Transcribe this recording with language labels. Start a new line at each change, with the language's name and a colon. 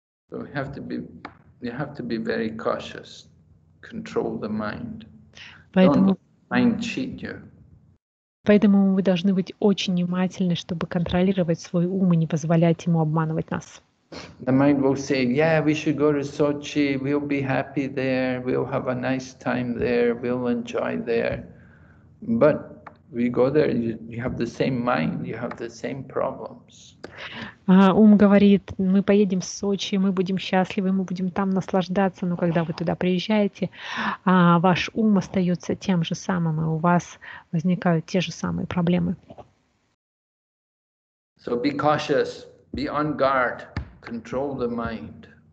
English: So you have to be very cautious, control the mind.
Russian: Поэтому,
English: mind cheat you.
Russian: Поэтому мы должны быть очень внимательны, чтобы контролировать свой ум и не позволять ему обманывать нас.
English: The mind will say, yeah, we should go to Sochi, we'll be happy there, we'll have a nice time there, we'll enjoy there. But we go there, you have the same mind, you have the same problems.
Russian: Ум говорит, мы поедем в Сочи, мы будем счастливы, мы будем там наслаждаться, но когда вы туда приезжаете, ваш ум остается тем же самым, и у вас возникают те же самые проблемы.
English: So be cautious, be on guard. Control the mind.